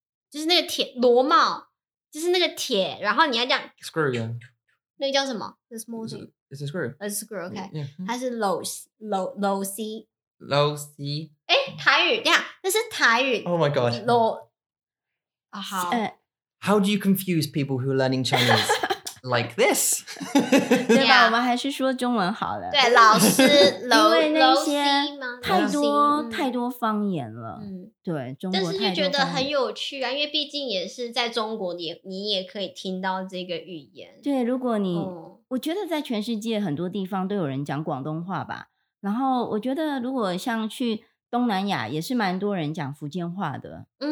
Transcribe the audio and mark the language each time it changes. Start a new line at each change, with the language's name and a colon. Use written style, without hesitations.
Chinese: 就是那个铁螺帽，就是那个铁， 然后你要这样screw
English: yeah.
Chinese: 那个叫什么？
English: The small thing. It's a screw. It's a screw. Okay. Yeah.
Chinese: 它是螺丝。螺丝。诶，台语，等一下，那是台语。
English: Oh my god.
Chinese: 螺。好。How
English: do you confuse people who are learning Chinese like this?
Chinese: 对吧，我们还是说中文好了。对，老师，螺丝，因为那些太多方言了。对，中国太多方言了。但是就觉得很有趣啊，因为毕竟也是在中国，你也可以听到这个语言。对，如果你，我觉得在全世界很多地方都有人讲广东话吧。然后我觉得如果像去东南亚，也是蛮多人讲福建话的。